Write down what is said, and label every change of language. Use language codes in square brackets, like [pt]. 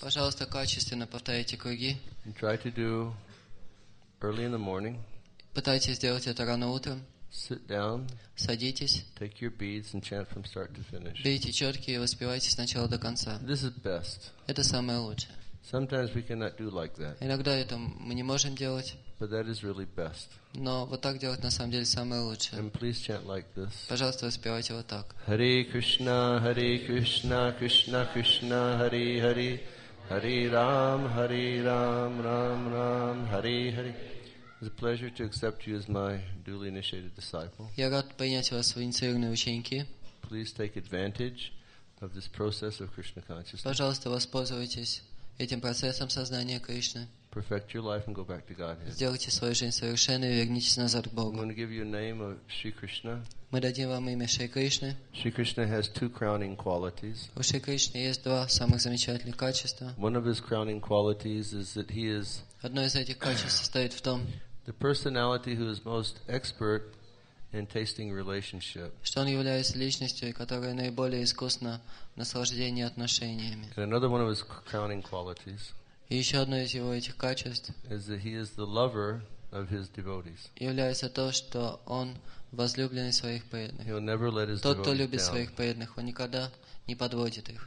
[ru] Пожалуйста, качественно повторяйте круги. [en] And try to do early in the morning. [ru] Пытайтесь сделать это рано утром. [en] Sit down. [ru] Садитесь. [en] Take your beads and chant from start to finish. [ru] Берите четки и воспевайте сначала до конца. [en] This is best. [ru] Это самое лучшее. [en] Sometimes we cannot do like that. [ru] Иногда это мы не можем делать. [en] But that is really best. [ru] Но вот так делать на самом деле самое лучшее. [en] And please chant like this. [ru] Пожалуйста, воспевайте вот так. [sa] Hare Krishna, Hare Krishna, Krishna Krishna, Hare Hare, Hare Ram, Hare Ram, Ram Ram, Hare Hare. [en] It's a pleasure to accept you as my duly initiated disciple. [ru] Я рад принять вас в инициированные ученики. [en] Please take advantage of this process of Krishna consciousness. [ru] Пожалуйста, воспользуйтесь этим процессом сознания Кришны. [en] Perfect your life and go back to Godhead. [ru] Сделайте свою жизнь совершенной и вернитесь назад к Богу. [en] I'm going to give you a name of Sri Krishna. [ru] Мы дадим вам имя Шри Кришны. [en] Sri Krishna has two crowning qualities. [ru] У Шри Кришны есть два самых замечательных качества. [en] One of his crowning qualities is that he is. [ru] Одно из этих качеств состоит в том. [en] The personality who is most expert in tasting relationship. [ru] Что он является личностью, которая наиболее искусна в наслаждении отношениями. [en] And another one of his crowning qualities. [ru] И еще одно из его этих качеств [en] is that he is the lover of his devotees. [ru] Является то, что он возлюбленный своих преданных. [en] He'll never let his devotees [ru] down. Тот, кто любит своих преданных, он никогда не подводит их.